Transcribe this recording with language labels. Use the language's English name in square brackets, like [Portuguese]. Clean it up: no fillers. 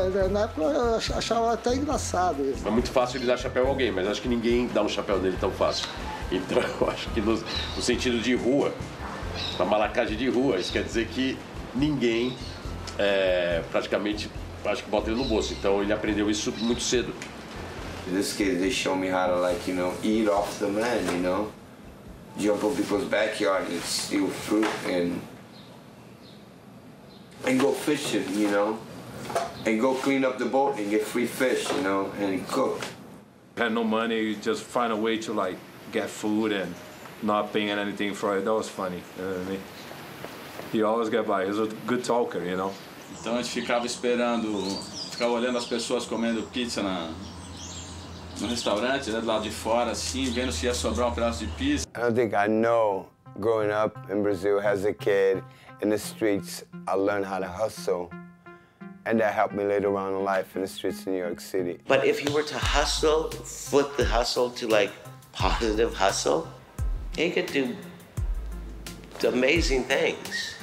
[Portuguese] Na época eu achava até engraçado isso. É muito fácil ele dar chapéu a alguém, mas acho que ninguém dá um chapéu nele tão fácil. Então eu acho que no sentido de rua, na malacagem de rua, isso quer dizer que ninguém. É, praticamente, acho que bota ele no bolso. Então ele aprendeu isso muito cedo. [English] This kid, they show me how to, like, you know, eat off the man, you know? Jump on people's backyard and steal fruit and go fishing, you know? And go clean up the boat and get free fish, you know? And cook. Had no money, you just find a way to, like, get food and not paying anything for it. That was funny, you know what I mean? He always got by. He's a good talker, you know? [Portuguese] Então a gente ficava esperando, ficava olhando as pessoas comendo pizza no restaurante, né, do lado de fora, assim, vendo se ia sobrar um pedaço de pizza. [English] I don't think I know, growing up in Brazil as a kid, in the streets, I learned how to hustle. And that helped me later on in life in the streets of New York City. But if you were to hustle, flip the hustle to, like, positive hustle, you could do amazing things.